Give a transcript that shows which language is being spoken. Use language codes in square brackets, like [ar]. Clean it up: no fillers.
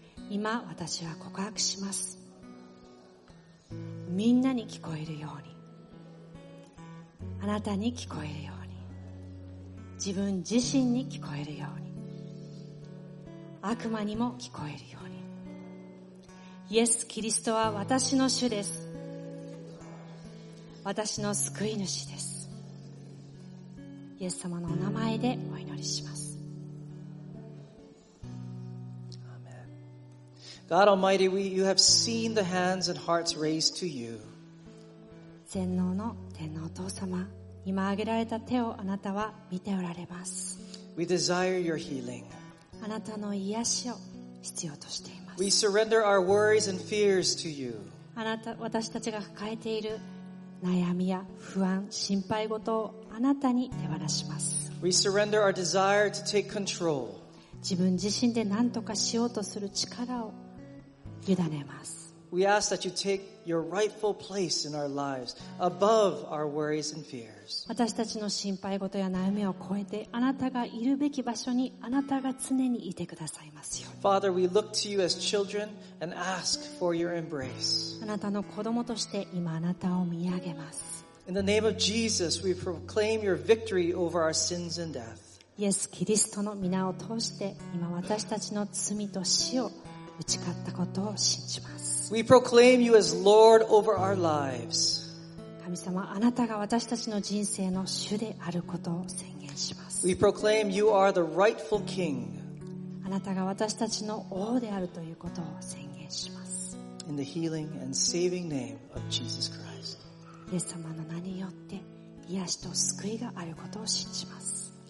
[ja] 今私は告白します。みんなに聞こえるように、あなたに聞こえるように、自分自身に聞こえるように、悪魔にも聞こえるように、イエス・キリストは私の主です。私の救い主です。イエス様のお名前でお祈りします。アーメン。 [en] God Almighty, you have seen the hands and hearts raised to you. [ja] 全能の天のお父様、今挙げられた手をあなたは見ておられます。 [en] We desire your healing. [ja] あなたの癒しを必要としています。 [en] We surrender our worries and fears to you. [ja] あなた、私たちが抱えている悩みや不安、心配事をあなたに手放します。 [en] We surrender our desire to take control. [ja] 自分自身で何とかしようとする力を委ねます。 [en] We ask that you take your rightful place in our lives, above our worries and fears. [ja] 私たちの心配事や悩みを超えて、あなたがいるべき場所にあなたが常にいてくださいますように。 [en] Father, we look to you as children and ask for your embrace. [ja] あなたの子供として今あなたを見上げます。 [en] In the name of Jesus, we proclaim your victory over our sins and death. [ja] イエス・キリストの御名を通して、今私たちの罪と死を打ち勝ったことを信じます。 [en] We proclaim you as Lord over our lives. [ja] 神様、あなたが私たちの人生の主であることを宣言します。 [en] We proclaim you are the rightful King. [ja] あなたが私たちの王であるということを宣言します。 [en] In the healing and saving name of Jesus Christ. [ja] イエス様の名によって癒しと救いがあることを信じます。